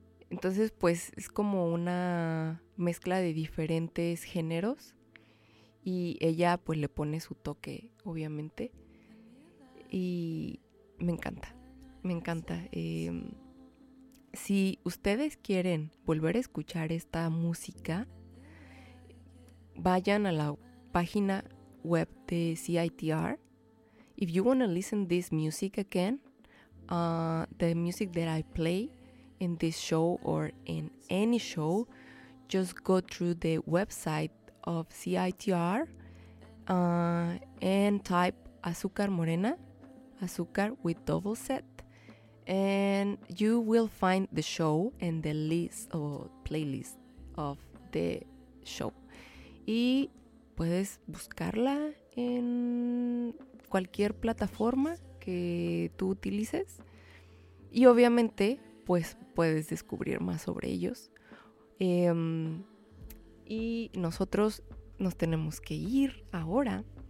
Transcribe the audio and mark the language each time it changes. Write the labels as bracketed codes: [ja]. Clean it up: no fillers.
[es] Entonces pues es como una mezcla de diferentes géneros, y ella pues le pone su toque, obviamente, y me encanta. Si ustedes quieren volver a escuchar esta música, vayan a la página web de CITR. [en] If you want to listen this music again, the music that I play in this show or in any show, just go through the website of CITR and type Azúcar Morena, Azúcar with double Z, and you will find the show and the list or playlist of the show. [es] Y puedes buscarla en cualquier plataforma que tú utilices, y obviamente pues puedes descubrir más sobre ellos. Y nosotros nos tenemos que ir ahora.